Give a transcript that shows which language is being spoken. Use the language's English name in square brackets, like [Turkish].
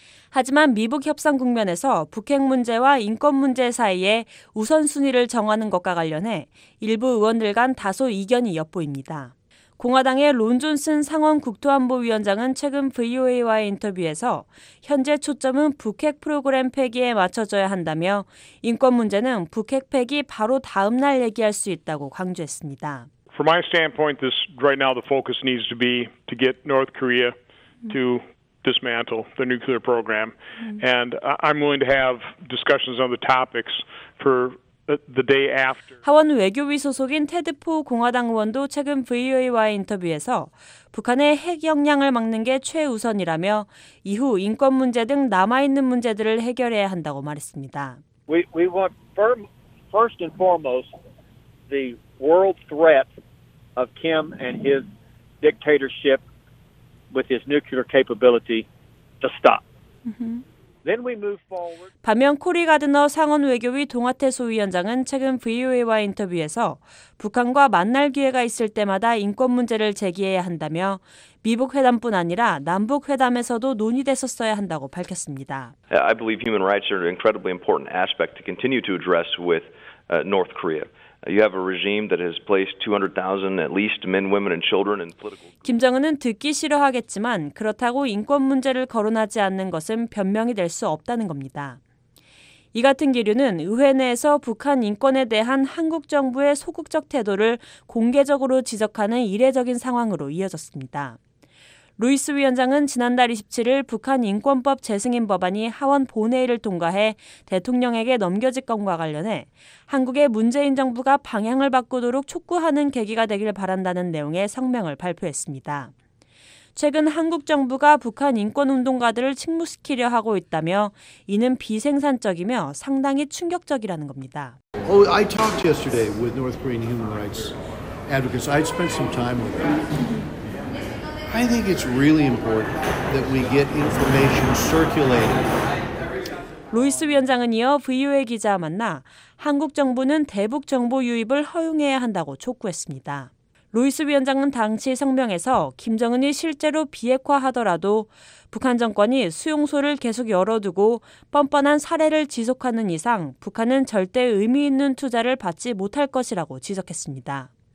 [Korean] 하지만 미북 협상 국면에서 북핵 문제와 인권 문제 사이에 우선순위를 정하는 것과 관련해 일부 의원들 간 다소 이견이 엿보입니다. 공화당의 론 존슨 상원 국토안보위원장은 최근 VOA와의 인터뷰에서 현재 초점은 북핵 프로그램 폐기에 맞춰져야 한다며 인권 문제는 북핵 폐기 바로 다음 날 얘기할 수 있다고 강조했습니다. [English] From my standpoint, this right now the focus needs to be to get North Korea to dismantle the nuclear program. And I'm willing to have discussions on the topics for the day after. [Korean] 하원 외교위 소속인 테드 포 공화당 의원도 최근 VOA와의 인터뷰에서 북한의 핵 역량을 막는 게 최우선이라며 이후 인권 문제 등 남아 있는 문제들을 해결해야 한다고 말했습니다. [English] We want first and foremost the world threat of Kim and his dictatorship with his nuclear capability to stop. Then we move forward. [Korean] 반면 코리 가드너 상원 외교위 동아태 소위원장은 최근 VOA와 인터뷰에서 북한과 만날 기회가 있을 때마다 인권 문제를 제기해야 한다며 미북 회담뿐 아니라 남북 회담에서도 논의됐었어야 한다고 밝혔습니다. [English] I believe human rights are an incredibly important aspect to continue to address with North Korea. You have a regime that has placed 200,000 at least men, women, and children in political. [Korean] 김정은은 듣기 싫어하겠지만 그렇다고 인권 문제를 거론하지 않는 것은 변명이 될 수 없다는 겁니다. 이 같은 기류는 의회 내에서 북한 인권에 대한 한국 정부의 소극적 태도를 공개적으로 지적하는 이례적인 상황으로 이어졌습니다. 루이스 위원장은 지난달 27일 북한 인권법 재승인 법안이 하원 본회의를 통과해 대통령에게 넘겨질 것과 관련해 한국의 문재인 정부가 방향을 바꾸도록 촉구하는 계기가 되길 바란다는 내용의 성명을 발표했습니다. 최근 한국 정부가 북한 인권운동가들을 침묵시키려 하고 있다며 이는 비생산적이며 상당히 충격적이라는 겁니다. [English] Oh, I talked yesterday with North Korean human rights advocates. I spent some time with them. I think it's really important that we get information circulated. [Korean] 루이스 위원장은 이어 VOA 기자와 만나 한국 정부는 대북 정보 유입을 허용해야 한다고 촉구했습니다. 루이스 위원장은 당시 성명에서 김정은이 실제로 비핵화하더라도 북한 정권이 수용소를 계속 열어두고 뻔뻔한 사례를 지속하는 이상 북한은 절대 의미 있는 투자를 받지 못할 것이라고 지적했습니다.